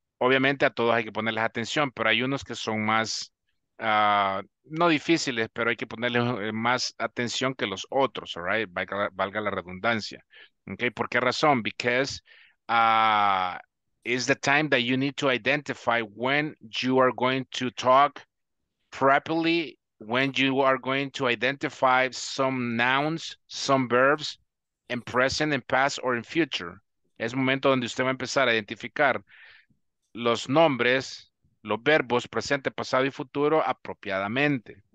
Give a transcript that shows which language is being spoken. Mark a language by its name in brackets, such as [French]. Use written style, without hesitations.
[Spanish] Obviamente a todos hay que ponerles atención, pero hay unos que son más, no difíciles, pero hay que ponerles más atención que los otros, [English] all right, [Spanish] valga la redundancia. Okay, ¿por qué razón? [English] Because is the time that you need to identify when you are going to talk properly, when you are going to identify some nouns, some verbs in present and past or in future. [Spanish] Es momento donde usted va a empezar a identificar los nombres, los verbos presente, pasado y futuro apropiadamente.